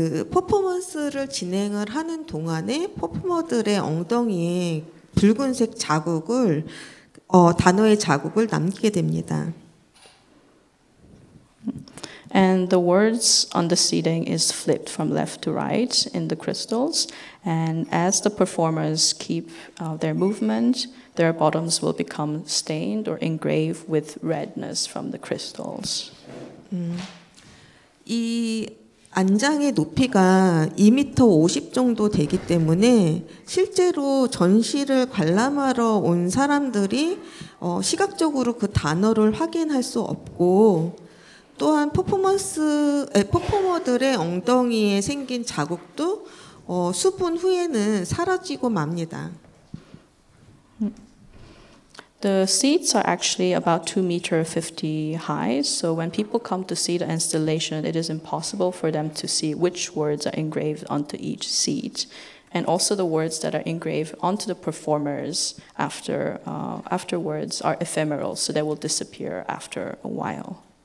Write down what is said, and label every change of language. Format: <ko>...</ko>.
<ko>퍼포먼스를 진행을 하는 동안에 퍼포머들의 엉덩이에 붉은색 자국을 단어의 자국을 남기게 됩니다.</ko> <en>And the words on the seating is flipped from left to right in the crystals, and as the performers keep their movement, their bottoms will become stained or engraved with redness from the crystals.</en> <ko>이 안장의 높이가 2m 50 정도 되기 때문에 실제로 전시를 관람하러 온 사람들이 시각적으로 그 단어를 확인할 수 없고 또한 퍼포머들의 엉덩이에 생긴 자국도 수분 후에는 사라지고 맙니다.</ko> <en>The seats are actually about 2.50 meters high, so when people come to see the installation, it is impossible for them to see which words are engraved onto each seat, and also the words that are engraved onto the performers afterwards are ephemeral, so they will disappear after a while.</en>